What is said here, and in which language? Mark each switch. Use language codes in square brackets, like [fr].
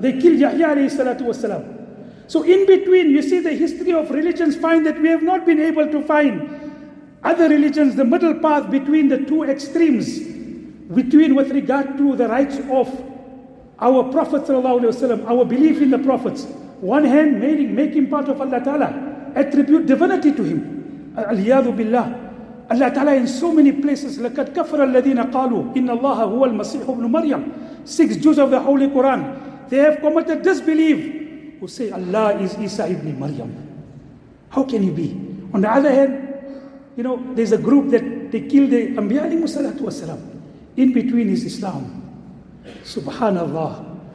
[en] They killed Yahya alayhi salatu wasalam. So in between, you see the history of religions find that we have not been able to find other religions, the middle path between the two extremes, between with regard to the rights of our Prophet sallallahu alaihi wasallam, our belief in the prophets. One hand, make him part of Allah Ta'ala, attribute divinity to him. Al-Iyadu Billah. Allah Ta'ala in so many places, [ar] لَكَدْ كَفَرَ الَّذِينَ قَالُوا إِنَّ اللَّهَ هُوَ الْمَسِيحُ بْنُ مَرْيَمُ. [en] 6 Jews of the Holy Quran, they have committed disbelief, who say Allah is Isa ibn Maryam. How can he be? On the other hand, you know, there's a group that they kill the Anbiya alayhi salatu wasalam. In between is Islam. Subhanallah.